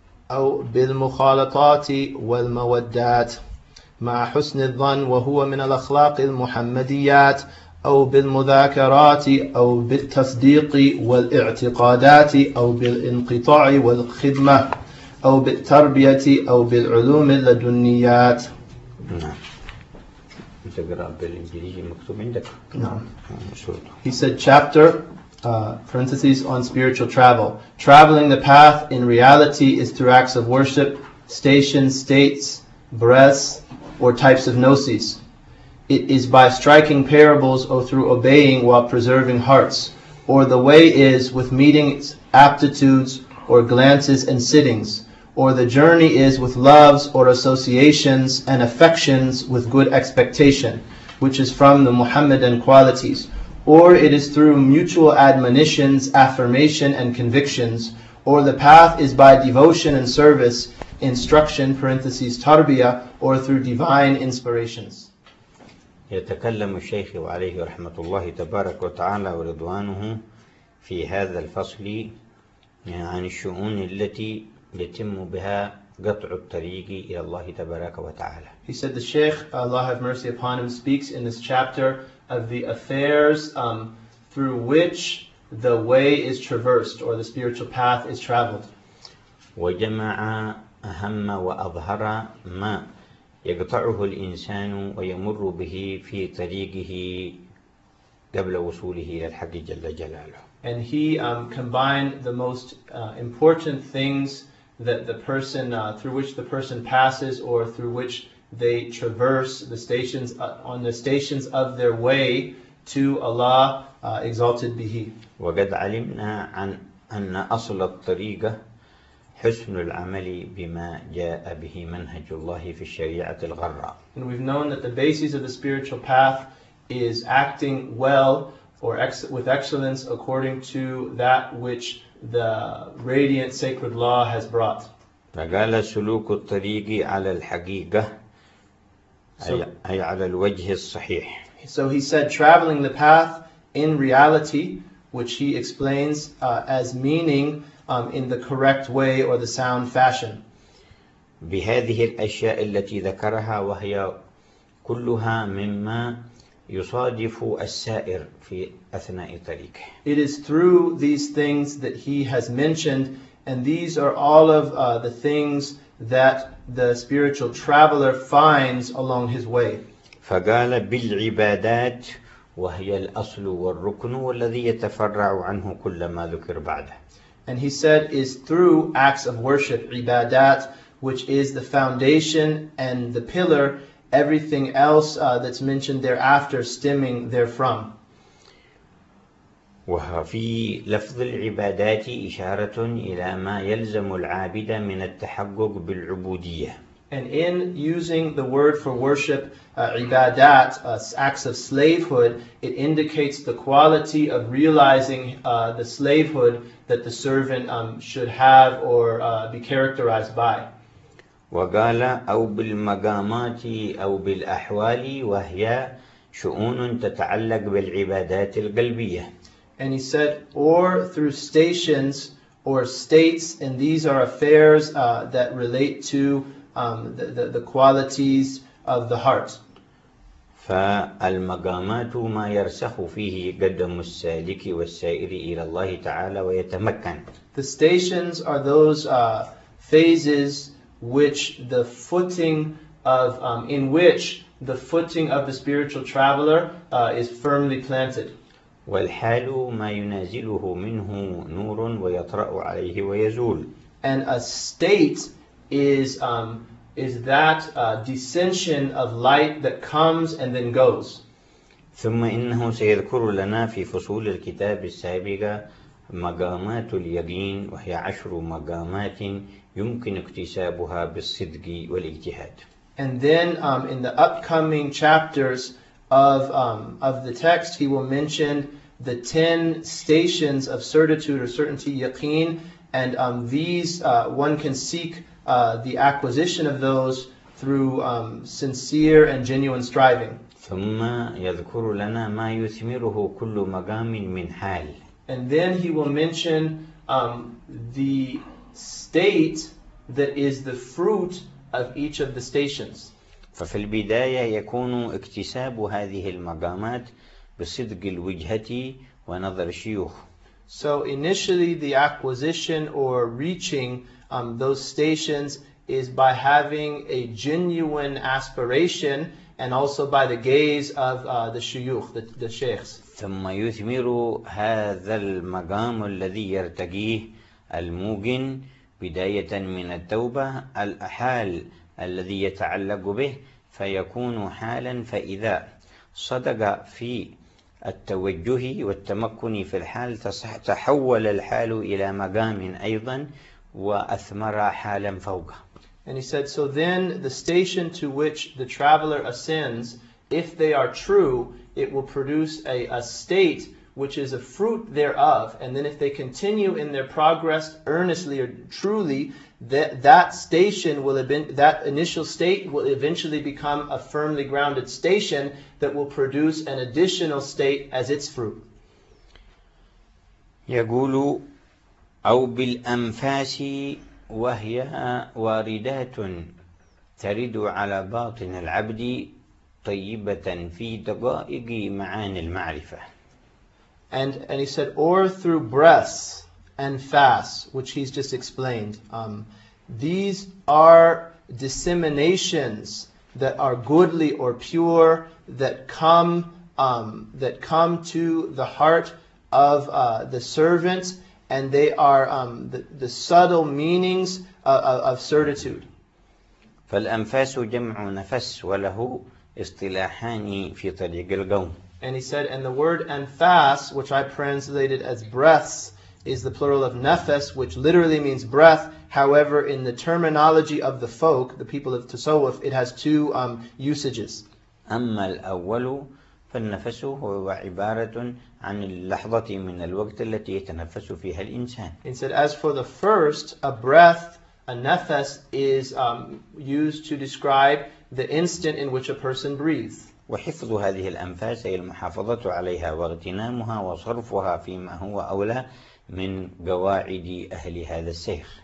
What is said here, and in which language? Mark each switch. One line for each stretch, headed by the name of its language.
Arabic: أو بالمخالطات والمودات مع حسن الظن وهو من الأخلاق المحمديات أو بالمذاكرات أو بالتصديق والاعتقادات أو بالانقطاع والخدمة أو بالتربية أو بالعلوم اللدنيات. نعم. تقرأ بالإنجليزي مكتوب عندك. نعم.
English: He said chapter parentheses on spiritual travel. Traveling the path in reality is through acts of worship, stations, states, breaths, or types of gnosis. It is by striking parables or through obeying while preserving hearts. Or the way is with meetings, aptitudes, or glances and sittings. Or the journey is with loves or associations and affections with good expectation, which is from the Muhammadan qualities. Or it is through mutual admonitions, affirmation, and convictions. Or the path is by devotion and service, instruction parentheses tarbiya, or through divine inspirations.
Arabic: يتكلم الشيخ عليه رحمة الله تبارك وتعالى ورضوانه في هذا الفصل عن الشؤون التي يتم بها قطع الطريق إلى الله تبارك وتعالى.
English: He said the Sheikh, Allah have mercy upon him, speaks in this chapter of the affairs through which the way is traversed or the spiritual path is traveled.
Arabic: وجمع أهم وأظهر ما يقطعه الإنسان ويمر به في طريقه قبل وصوله إلى الحق جل جلاله.
English: And he combined the most important things that the person through which the person passes or through which they traverse the stations on the stations of their way to Allah exalted be He.
Arabic: وقد علمنا عن أن أصل الطريقة حسن العمل بما جاء به منهج الله في الشريعة الغراء.
English: And we've known that the basis of the spiritual path is acting well or with excellence according to that which the radiant sacred law has brought.
Arabic: فقال سلوك الطريق على الحقيقة أي على الوجه الصحيح.
English: So he said traveling the path in reality, which he explains as meaning in the correct way or the sound fashion.
Arabic: بهذه الأشياء التي ذكرها وهي كلها مما يصادف السائر في أثناء طريقه.
English: It is through these things that he has mentioned, and these are all of the things that the spiritual traveler finds along his way.
Arabic: فقال بالعبادات وهي الأصل والركن والذي يتفرع عنه كل ما ذكر بعده.
English: And he said is through acts of worship, ibadat, which is the foundation and the pillar, everything else that's mentioned thereafter stemming therefrom.
Arabic: وفي لفظ العبادات إشارة إلى ما يلزم العابد من التحقق بالعبودية.
English: And in using the word for worship, ibadat, acts of slavehood, it indicates the quality of realizing the slavehood that the servant should have or be characterized by.
Arabic: وقال أو بالمقامات أو بالأحوال وهي شؤون تتعلق بالعبادات القلبية.
English: And he said, or through stations or states, and these are affairs that relate to the qualities of the heart.
Arabic: فالمقامات ما يرسخ فيه قدم السالك والسائر إلى الله تعالى ويتمكن.
English: The stations are those phases which the footing of in which the footing of the spiritual traveler is firmly planted.
Arabic: والحال ما ينازله منه نور ويطرأ عليه ويزول.
English: And a state is that descension of light that comes and then goes.
Arabic: ثم إنه سيذكر لنا في فصول الكتاب السابقة مقامات اليقين وهي عشر مقامات يمكن اكتسابها بالصدق والاجتهاد.
English: And then in the upcoming chapters of the text, he will mention the 10 stations of certitude or certainty yaqeen, and these one can seek the acquisition of those through sincere and genuine striving.
Arabic: ثم يذكر لنا ما يثمره كل مقام من حال.
English: And then he will mention the state that is the fruit of each of the stations.
Arabic: ففي البداية يكون اكتساب هذه المقامات بصدق الوجهة ونظر الشيوخ.
English: So initially the acquisition or reaching those stations is by having a genuine aspiration and also by the gaze of the shuyukh, the sheikhs.
Arabic: ثم يثمر هذا المقام الذي يرتقيه الموقن بداية من التوبة الأحال الذي يتعلق به فيكون حالا فإذا صدق في التوجه والتمكن في الحال تحول الحال إلى مقام أيضا وأثمر حالا فوقه.
English: And he said, so then the station to which the traveler ascends, if they are true, it will produce a state which is a fruit thereof. And then if they continue in their progress earnestly or truly, that station will that initial state will eventually become a firmly grounded station that will produce an additional state as its fruit.
Arabic: يقول أو بالأنفاس وهي واردات ترد على باطن العبد طيبة في دقائق معاني المعرفة.
English: And he said, or through breaths and fasts, which he's just explained. These are disseminations that are goodly or pure that come to the heart of the servant, and they are the subtle meanings of certitude.
Arabic: فالأنفاس جمع نفس وله اصطلاحان في طريق القوم.
English: And he said, and the word anfas, which I translated as breaths, is the plural of nafas, which literally means breath. However, in the terminology of the folk, the people of Tasawwuf, it has two usages.
Arabic: أما الأول فالنفس هو عبارة عن اللحظة من الوقت التي يتنفس فيها الإنسان.
English: He said, as for the first, a breath, a nafas, is used to describe the instant in which a person breathes.
Arabic: وحفظ هذه الأنفاس هي المحافظة عليها واغتنامها وصرفها فيما هو أولى من قواعد أهل هذا الشيخ.